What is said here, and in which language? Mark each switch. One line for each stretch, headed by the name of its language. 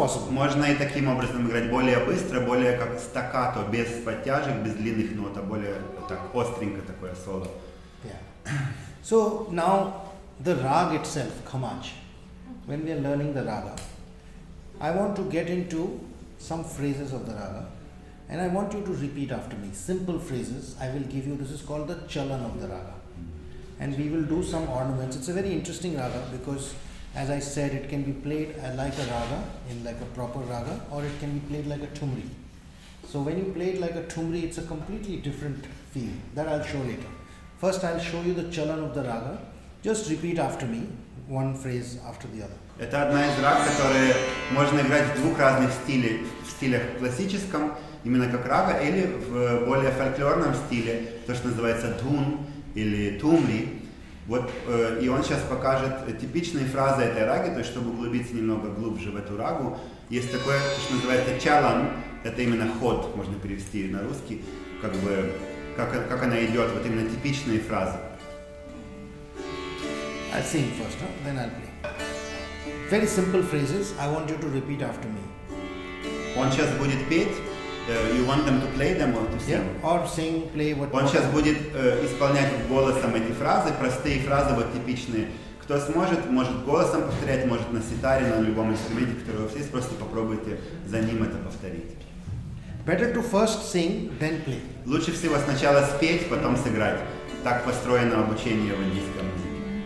Russian: Можно и таким образом играть более быстро, более как стаккато, без подтяжек, без длинных нот, а более так остренько такое соло.
English: Yeah. So now the raag itself, Khammaj. When we are learning the raga, I want to get into some phrases of the raga, and I want you to repeat after me. Simple phrases. I will give you. This is called the chalan of the raga, and we will do some ornaments. It's a very interesting raga because. As I said, it can be played like a raga, in like a proper raga, or it can be played like a thumri. So when you play it like a thumri, it's a completely different feel. That I'll show later. First, I'll show you the chalan of the raga. Just repeat after me, one phrase after the other.
Russian: Это одна из раг, которые можно играть в двух разных стилях. В стилях классическом, именно как рага, или в более фольклорном стиле, то, что называется дун или тумри. Вот, и он сейчас покажет типичные фразы этой раги, то есть, чтобы углубиться немного глубже в эту рагу. Есть такое, что называется чалан, это именно ход, можно перевести на русский, как бы, как она идет, вот именно типичные фразы.
English: I'll sing first, huh? Then I'll play. Very simple phrases, I want you to repeat after me.
Russian: Он сейчас будет петь.
English: You want them to play them or to sing? Yeah, or sing, play what?
Russian: Он сейчас будет исполнять голосом эти фразы, простые фразы, вот типичные. Кто сможет, может голосом повторять, может на ситаре, на любом инструменте, который у вас есть, просто попробуйте за ним это повторить.
English: Better to first sing, then play.
Russian: Лучше всего сначала спеть, потом сыграть. Так построено обучение в индийской музыке.